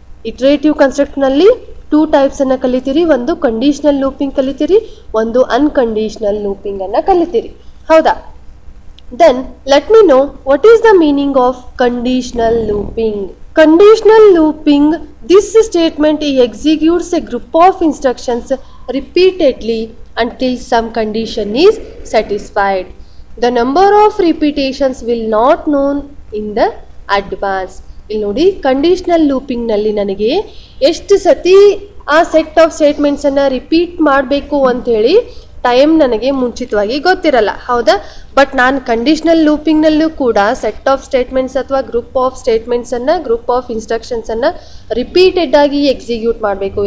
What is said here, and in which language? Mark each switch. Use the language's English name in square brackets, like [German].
[Kannada] ಇಟ್ರೇಟಿವ್ ಕನ್ಸ್ಟ್ರಕ್ಟ್ನಲ್ಲಿ two ಟೈಪ್ಸನ್ನು ಕಲಿತೀರಿ, ಒಂದು conditional looping ಕಲಿತೀರಿ, ಒಂದು unconditional ಲೂಪಿಂಗನ್ನು ಕಲಿತೀರಿ. ಹೌದಾ? [English] Then let me know what is the meaning of conditional looping. Conditional looping, this statement executes a group of instructions repeatedly until some condition is satisfied. The number of repetitions will not known in the advance. [Kannada] ಇಲ್ಲಿ ನೋಡಿ, conditional ಲೂಪಿಂಗ್ನಲ್ಲಿ ನನಗೆ ಎಷ್ಟು ಸತಿ ಆ set of ಸ್ಟೇಟ್ಮೆಂಟ್ಸನ್ನು repeat ಮಾಡಬೇಕು ಅಂಥೇಳಿ time ನನಗೆ ಮುಂಚಿತವಾಗಿ ಗೊತ್ತಿರಲ್ಲ. ಹೌದಾ? ಬಟ್ ನಾನು ಕಂಡೀಷ್ನಲ್ ಲೂಪಿಂಗ್ನಲ್ಲೂ ಕೂಡ ಸೆಟ್ ಆಫ್ ಸ್ಟೇಟ್ಮೆಂಟ್ಸ್ ಅಥವಾ group of ಸ್ಟೇಟ್ಮೆಂಟ್ಸನ್ನು group of ಇನ್ಸ್ಟ್ರಕ್ಷನ್ಸನ್ನು ರಿಪೀಟೆಡಾಗಿ execute ಮಾಡಬೇಕು.